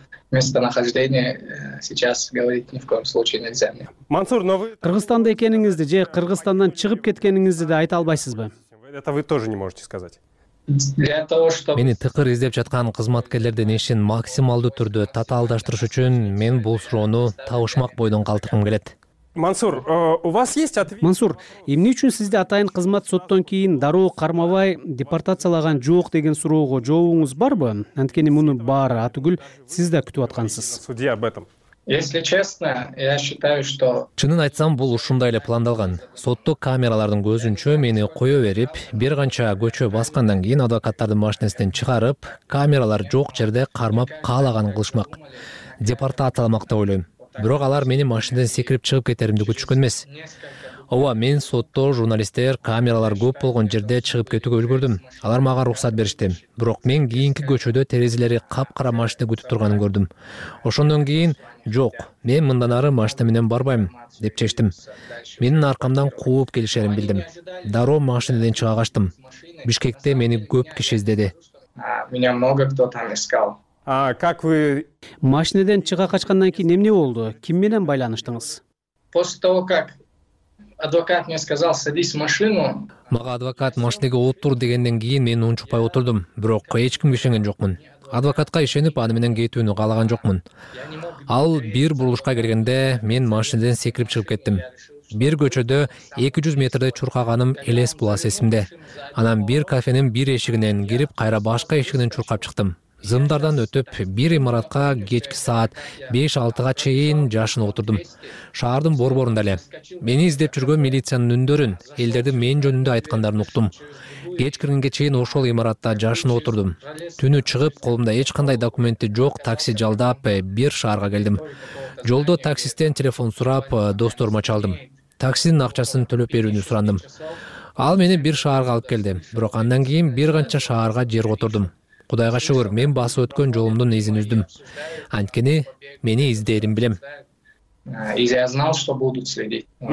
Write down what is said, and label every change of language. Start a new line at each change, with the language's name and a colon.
Russian: Место нахождения сейчас говорить ни в коем случае нельзя мне. Мансур, но вы
Kyrgyz: Кыргызстанда экениңизди же Кыргызстандан чыгып кеткениңизди да айта албайсызбы?
Russian: Это вы тоже не можете сказать. Для того, чтобы
Kyrgyz: мени тыкыр издеп жаткан кызматкерлерден ишин максималдуу түрдө татаалдаштырыш үчүн мен бул суроону табышмак бойдон калтыргым келет.
Russian: Мансур, у вас есть ответ?
Kyrgyz: Мансур, эмне үчүн сизди атайын кызмат соттон кийин дароо кармабай депортациялаган жок деген суроого жообуңуз барбы? Анткени муну баары атүгүл сиз да күтүп аткансыз.
Russian: Судья об этом. Если честно, я считаю, что
Kyrgyz: чынын айтсам, бул ушундай эле пландалган. Сотто камералардын көзүнчө мени кое берип, бир канча көчө баскандан кийин адвокаттардын машинесинен чыгарып, камералар жок жерде кармап каалаганын кылышмак. Депортациялмак деп ойлойм. Бирок алар мени машинадан секирип чыгып кетеримди күтүшкөн эмес. Ооба, мен сотто журналисттер, камералар көп болгон жерде чыгып кетүүгө үлгүрдүм. Алар мага уруксат беришти. Бирок мен кийинки көчөдө терезелери капкара машинада күтүп турганын көрдүм. Ошондон кийин, жок, мен мындан ары машина менен барбайм, деп чечтим. Менин аркамдан кууп келишерин билдим. Дароо машинадан чыга качтым. Бишкекте мени көп киши издеди.
Russian: Меня много кто там искал. Как вы
Kyrgyz: машинадан чыга качкандан кийин эмне болду? Ким менен байланыштыңыз?
Russian: После того, как адвокат мне сказал, садись в машину.
Kyrgyz: Мага адвокат машинага отур дегенден кийин мен унчукпай отурдум, бирок эч ким ишенген жокмун. Адвокатка ишенип, аны менен кетүүнү каалаган жокмун. Ал бир бурулушка келгенде мен машинадан секирип чыгып кеттим. Бир көчөдө 200 метрде чуркаганым элес булас эсимде. Анан бир кафенин бир эшигинен кирип, кайра башка эшигинен чуркап чыктым. Зымдардан өтүп, бир имаратка кечки саат 5-6 чейин жашынып отурдум. Шаардын борборунда эле. Мени издеп жүргөн милициянын үндөрүн, элдердин мен жөнүндө айткандарын уктум. Кеч киргенге чейин ошол имаратта жашынып отурдум. Түнү чыгып, колумда эч кандай документи жок такси жалдап, бир шаарга келдим. Жолдо таксисттен телефон сурап, досторума чалдым. Таксинин акчасын төлөп берүүнү сурандым. Ал мени бир шаарга алып келди, бирок андан кийин бир канча шаарга жер отурдум. Кудайга шүгүр, мен басып өткөн жолумдун изин үздүм. Анткени мени издерин билем.
Russian: Я знал, что будут следить.